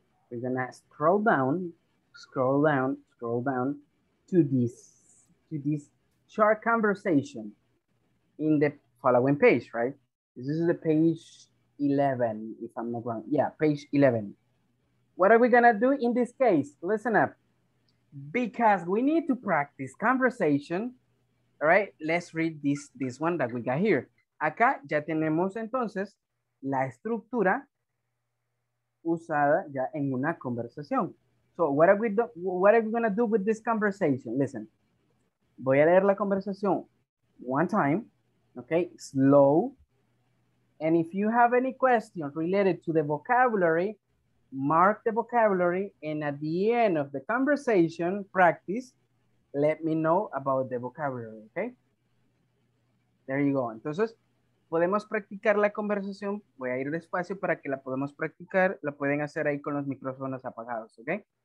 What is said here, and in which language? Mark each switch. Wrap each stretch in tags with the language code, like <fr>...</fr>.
<en>We're gonna scroll down, scroll down to this short conversation in the following page, right? This is the page 11, if I'm not wrong. Yeah, page 11. What are we gonna do in this case? Listen up, because we need to practice conversation. All right, let's read this one that we got here.</en> <es>Acá ya tenemos entonces la estructura usada ya en una conversación.</es> <en>So what are we gonna do with this conversation? Listen,</en> <es>voy a leer la conversación</es> <en>one time, okay, slow. And if you have any questions related to the vocabulary, mark the vocabulary, and at the end of the conversation practice, let me know about the vocabulary, okay? There you go.</en> <es>Entonces, podemos practicar la conversación. Voy a ir despacio para que la podamos practicar. La pueden hacer ahí con los micrófonos apagados, okay?</es>